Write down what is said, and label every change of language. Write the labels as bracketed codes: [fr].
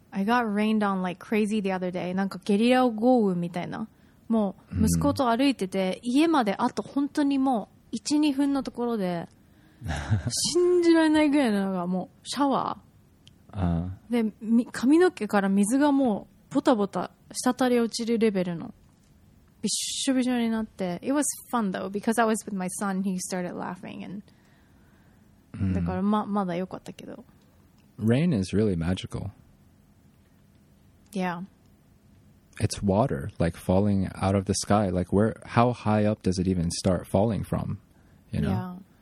[en] I got rained on like crazy the other day. [ja] なんかゲリラ豪雨みたいな。もう息子と歩いてて、家まであと本当にもう 1,2 分のところで、信じられないぐらいなのがもうシャワー。で、髪の毛から水がもうボタボタ滴り落ちるレベルの。びしょびしょになって。 [en] It was fun though, because I was with my son, he started laughing. [ja] And だからまだ良かったけど。 [en] Rain is really magical. Yeah. It's water, like falling out of the sky. Like, where, how high up does it even start falling from? You know? Yeah.